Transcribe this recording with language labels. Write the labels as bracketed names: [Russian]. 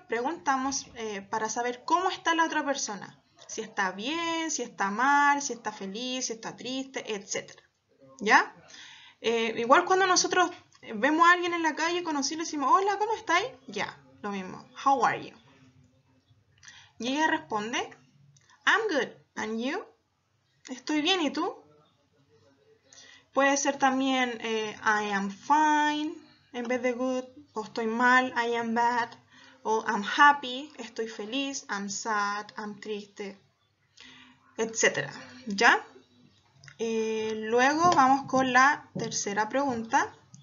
[Spanish] Preguntamos para saber cómo está la otra persona. Si está bien, si está mal, si está feliz, si está triste, etc. ¿Ya? Igual cuando nosotros vemos a alguien en la calle y conocido, decimos, hola, ¿cómo estáis? Ya, lo mismo. [English] How are you? [Spanish] Y ella responde, [English] I'm good, and you? [Spanish] Estoy bien, ¿y tú? Puede ser también [English] I am fine, [Spanish] en vez de [English] good, [Spanish] o estoy mal, [English] I am bad, [Spanish] o [English] I'm happy, [Spanish] estoy feliz, [English] I'm sad, I'm [Spanish] triste, etc. ¿Ya? Luego vamos con la tercera pregunta.